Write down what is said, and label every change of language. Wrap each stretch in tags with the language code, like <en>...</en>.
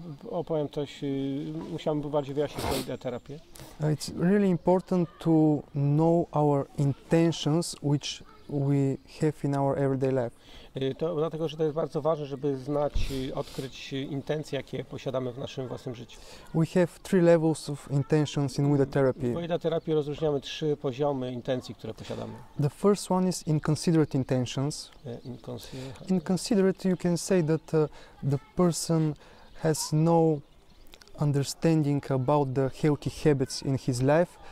<pl>Opowiem coś, musiałbym bardziej wyjaśnić tę ideę terapii.</pl> <en>It's really important to know our intentions, which we have in our everyday life.</en> <pl>To dlatego, że to jest bardzo ważne, żeby znać, odkryć intencje, jakie posiadamy w naszym własnym życiu.</pl> <en>We have three levels of intentions in Wida Therapy.</en> <pl>W Wida Therapy rozróżniamy trzy poziomy intencji, które posiadamy.</pl> <en>The first one is inconsiderate intentions. Inconsiderate, you can say that the person has no understanding about the healthy habits in his life.</en>